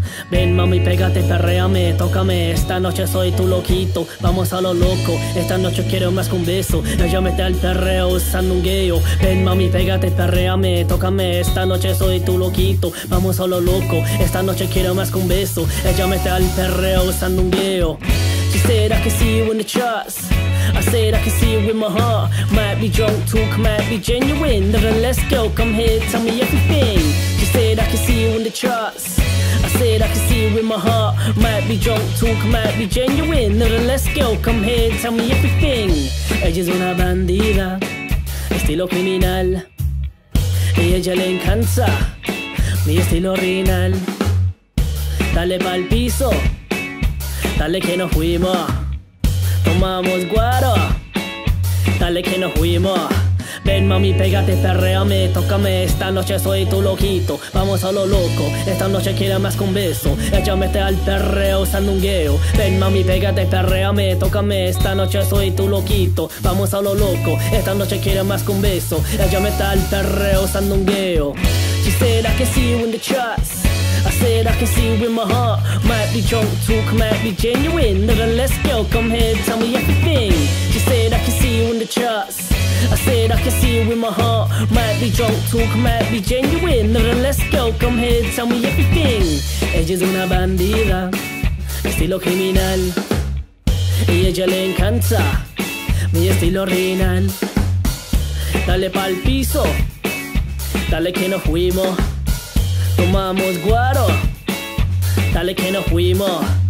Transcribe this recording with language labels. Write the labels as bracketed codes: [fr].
[es] Ven mami, pégate, perréame, tócame. Esta noche soy tu loquito, vamos a lo loco. Esta noche quiero más que un beso. Ella mete al perreo usando un gueo. Ven mami, pégate, perréame, tócame. Esta noche soy tu loquito, vamos a lo loco. Esta noche quiero más que un beso. Ella mete al perreo usando un gueo. [en] She said I can see you in the charts. I said I can see you with my heart. Might be drunk talk, might be genuine. Nevertheless, girl, come here, tell me everything. She said I can see you in the charts. I said I can see you with my heart. Might be drunk talk, might be genuine. Nevertheless, girl, come here, tell me everything. [es] Ella es una bandida, estilo criminal. Y ella le encanta mi estilo original. Dale pa'l piso. Dale que nos fuimos, tomamos guaro. Dale que nos fuimos. Ven mami, pégate, perréame, tócame. Esta noche soy tu loquito, vamos a lo loco. Esta noche quiero más que un beso. Ella mete al perreo usando un gueo. Ven mami, pégate, perréame, tócame. Esta noche soy tu loquito, vamos a lo loco. Esta noche quiero más que un beso. Ella mete al perreo usando un gueo. [en] She said I can see you in the charts. I said I can see with my heart. Might be drunk talk, might be genuine. Nevertheless, girl, come here, tell me everything. She said I can see you in the charts. I said I can see with my heart. Might be drunk talk, might be genuine. Nevertheless, girl, come here, tell me everything. [es] Ella es una bandida, estilo criminal. Y ella le encanta mi estilo original. Dale pa'l piso, dale que nos fuimos. Tomamos guaro, dale que nos fuimos.